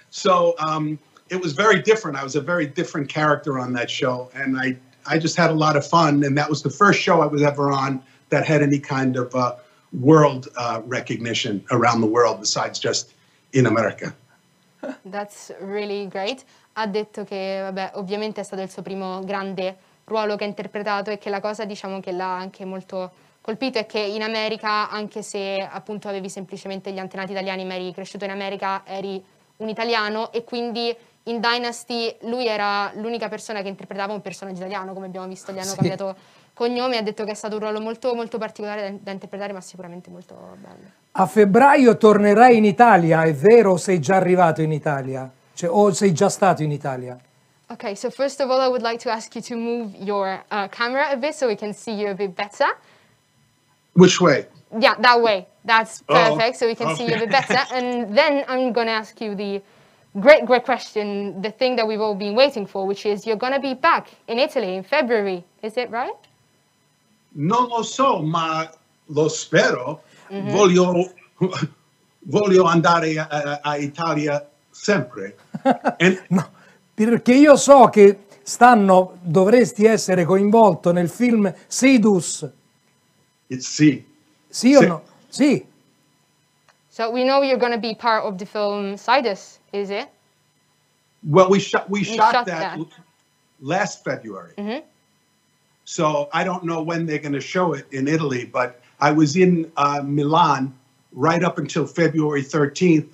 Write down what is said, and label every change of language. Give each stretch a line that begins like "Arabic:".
English: So it was very different. I was a very different character on that show, and I just had a lot of fun, and that was the first show I was ever on that had any kind of world recognition around the world besides just in America. That's really great.
Italian: Ha detto che, vabbè, ovviamente è stato il suo primo grande ruolo che ha interpretato e che la cosa, diciamo, che l'ha anche molto colpito è che in America, anche se appunto avevi semplicemente gli antenati italiani, ma eri cresciuto in America, eri un italiano, e quindi in Dynasty lui era l'unica persona che interpretava un personaggio italiano, come abbiamo visto gli hanno cambiato cognome. Ha detto che è stato un ruolo molto molto particolare da interpretare, ma sicuramente molto bello. A febbraio tornerai in Italia, è vero, o sei già arrivato in Italia? Cioè, o sei già stato in Italia?
English: Okay, so first of all I would like to ask you to move your camera a bit so we can see you a bit better. Which way? Yeah, that way. That's perfect. So we can see you a bit better. And then I'm going to ask you the great, great question, the thing that we've all been waiting for, which is you're going to be back in Italy in February. Is it right?
Italian: Non lo so, ma lo spero. Mm-hmm. Voglio andare a Italia sempre. No, perché io so che dovresti essere coinvolto nel film Sidus. Sì. Sì o no? Sì.
English: So we know you're going to be part of the film Sidus, is it? Well, we shot that last February. Mm-hmm. So I don't know when they're going to show it in Italy, but I was in Milan right up until February 13th.